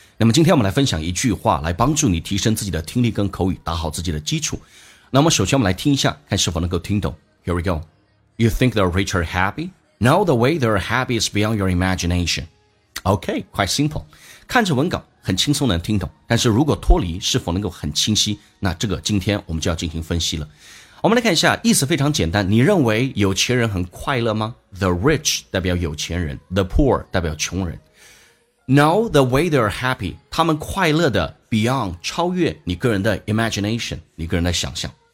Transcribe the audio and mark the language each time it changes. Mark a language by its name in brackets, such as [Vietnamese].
[Chinese] 那么今天我们来分享一句话来帮助你提升自己的听力跟口语，打好自己的基础。那么首先我们来听一下，看是否能够听懂。 [English] Here we go。 You think the rich are happy? No, the way they're happy is beyond your imagination. OK, quite simple。 [Chinese] 看着文稿很轻松能听懂，但是如果脱离是否能够很清晰，那这个今天我们就要进行分析了。我们来看一下，意思非常简单，你认为有钱人很快乐吗？ The rich 代表有钱人， The poor 代表穷人。 [English] No, the way they're happy， [Chinese] 他们快乐的 beyond 超越你个人的 imagination， 你个人的想象。